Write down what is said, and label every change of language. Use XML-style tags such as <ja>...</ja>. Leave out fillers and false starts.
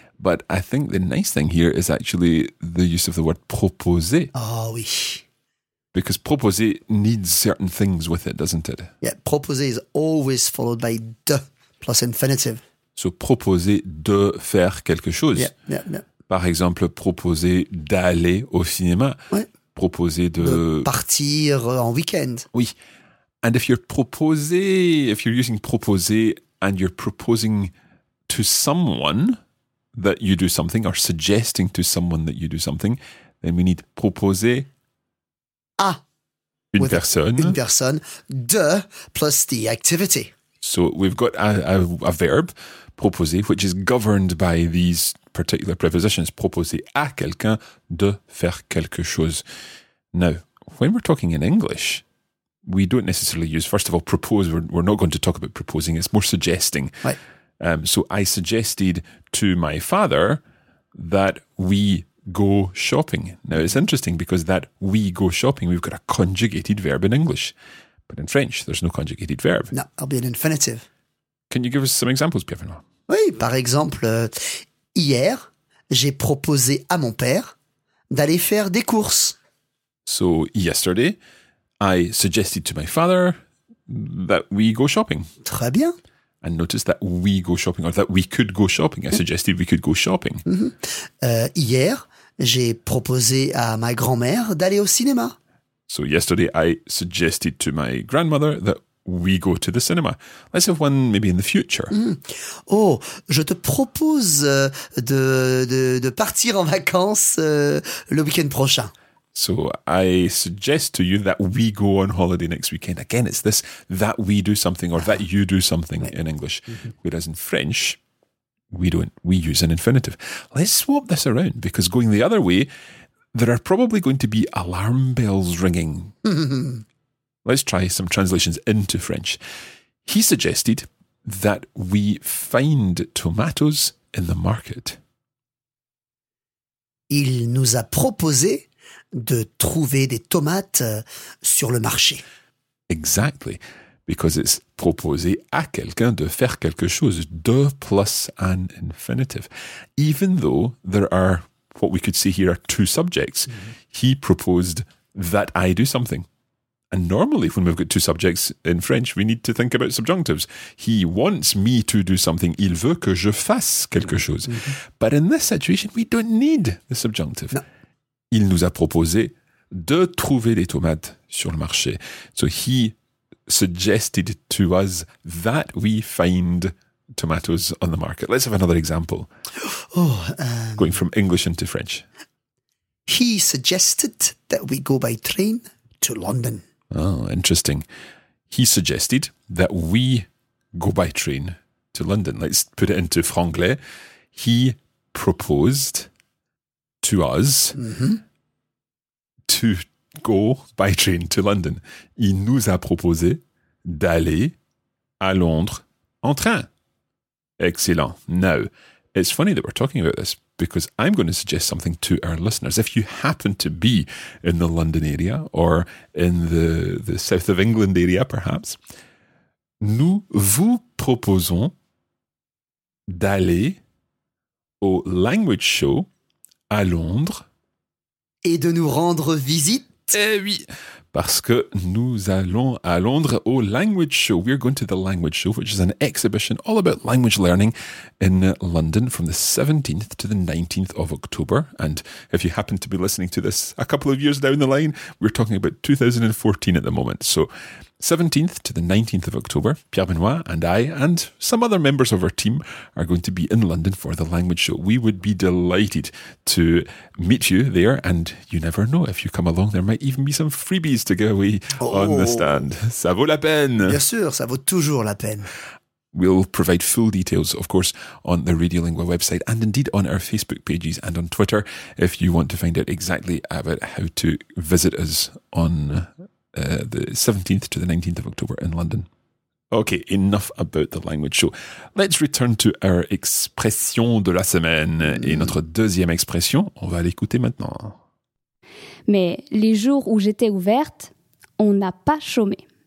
<en>But I think the nice thing here is actually the use of the word proposer.</en> <fr>Oh oui.</fr> <en>Because proposer needs certain things with it, doesn't it? Yeah, proposer is always followed by de plus infinitive.</en> <fr>So proposer de faire quelque chose.</fr> <en>Yeah, yeah, yeah.</en> <fr>Par exemple, proposer d'aller au cinéma. Ouais. Proposer de partir en week-end. Oui.</fr> <en>And if you're using proposer and you're proposing to someone that you do something or suggesting to someone that you do something, then we need proposer</en> <fr>à une personne</fr> <en>de plus the activity. So we've got a verb, proposer, which is governed by these particular prepositions.</en> <fr>Proposer à quelqu'un de faire quelque chose.</fr> <en>Now, when we're talking in English, we don't necessarily use, first of all, propose. We're not going to talk about proposing. It's more suggesting. Right. So I suggested to my father that we go shopping. Now, it's interesting because that we go shopping, we've got a conjugated verb in English. But in French, there's no conjugated verb. No, it'll be an infinitive. Can you give us some examples, Pierre-Benoît?</en> <fr>Oui, par exemple, hier, j'ai proposé à mon père d'aller faire des courses.</fr> <en>So yesterday, I suggested to my father that we go shopping.</en> <fr>Très bien.</fr> <en>And notice that we go shopping, or that we could go shopping. I suggested we could go shopping. Mm-hmm.</en> <fr>Hier, j'ai proposé à ma grand-mère d'aller au cinéma.</fr> <en>So yesterday, I suggested to my grandmother that we go to the cinema. Let's have one maybe in the future.</en> <fr>Mm. Oh, je te propose de partir en vacances le week-end prochain.</fr> <en>So I suggest to you that we go on holiday next weekend. Again, it's this that we do something or that you do something in English. Mm-hmm. Whereas in French, we use an infinitive. Let's swap this around, because going the other way, there are probably going to be alarm bells ringing. Let's try some translations into French. He suggested that we find tomatoes in the market.</en> <fr>Il nous a proposé de trouver des tomates sur le marché.</fr> <en>Exactly, because it's</en> <fr>proposer à quelqu'un de faire quelque chose,</fr> <en>de plus an infinitive. Even though there are, what we could say here, are two subjects, mm-hmm. He proposed that I do something. And normally, when we've got two subjects in French, we need to think about subjunctives. He wants me to do something.</en> <fr>Il veut que je fasse quelque chose. Mm-hmm.</fr> <en>But in this situation, we don't need the subjunctive. No.</en> <fr>Il nous a proposé de trouver les tomates sur le marché.</fr> <en>So he suggested to us that we find tomatoes on the market. Let's have another example. Oh, going from English into French. He suggested that we go by train to London. Oh, interesting. He suggested that we go by train to London. Let's put it into franglais. He proposed to us to go by train to London.</en> <fr>Il nous a proposé d'aller à Londres en train.</fr> <en>Excellent. Now, it's funny that we're talking about this because I'm going to suggest something to our listeners. If you happen to be in the London area or in the south of England area, perhaps,</en> <fr>nous vous proposons d'aller au language show à Londres. Et de nous rendre visite. Eh oui, parce que nous allons à Londres au Language Show.</fr> <en>We are going to the Language Show, which is an exhibition all about language learning in London from the 17th to the 19th of October. And if you happen to be listening to this a couple of years down the line, we're talking about 2014 at the moment. So 17th to the 19th of October, Pierre Benoit and I and some other members of our team are going to be in London for the Language Show. We would be delighted to meet you there, and you never know, if you come along, there might even be some freebies to give away on the stand.</en> <fr>Ça vaut la peine. Bien sûr, ça vaut toujours la peine.</fr> <en>We'll provide full details, of course, on the Radiolingua website and indeed on our Facebook pages and on Twitter if you want to find out exactly about how to visit us on the 17th to the 19th of October in London. Okay, enough about the language show. Let's return to our expression</en> <fr>de la semaine. Et notre deuxième expression, on va l'écouter maintenant. Mais les jours où j'étais ouverte, on n'a pas chômé.</fr>